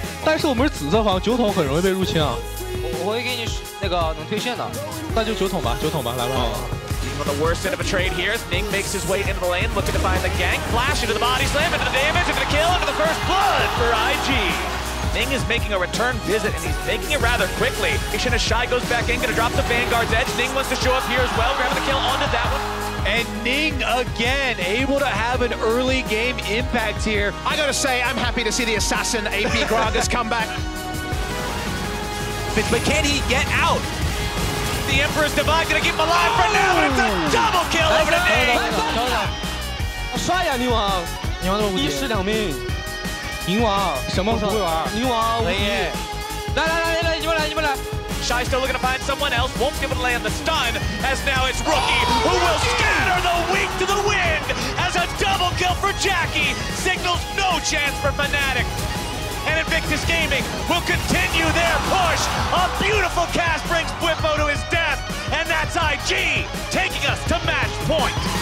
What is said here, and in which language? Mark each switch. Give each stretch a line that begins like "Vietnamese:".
Chinese: 但是我们是紫色方, 酒桶很容易被入侵啊. 我会给你那个能推线的. 那就酒桶吧, 酒桶吧, 来吧.
English: But the worst end of a trade here as Ning makes his way into the lane, looking to find the gank, flash into the body slam, into the damage, into the kill, into the first blood for IG. Ning is making a return visit, and he's making it rather quickly. Ishina Shai goes back in, going to drop the Vanguard's edge. Ning wants to show up here as well, grabbing the kill onto that one. And Ning again, able to have an early game impact here. I got to say, I'm happy to see the assassin AP Grog has come back. But can he get out? The Emperor's Divine going to keep him alive for now, but it's a double kill over to Ning. Ning.
Chinese: 英王,什么不会玩?英王,无敌。来,你们来,你们来。
English: Shy still looking to find someone else, won't be able to land the stun, as now it's Rookie, who will scatter the weak to the wind, as a double kill for Jackie signals no chance for Fnatic. And Invictus Gaming will continue their push. A beautiful cast brings Bwipo to his death, and that's IG taking us to match point.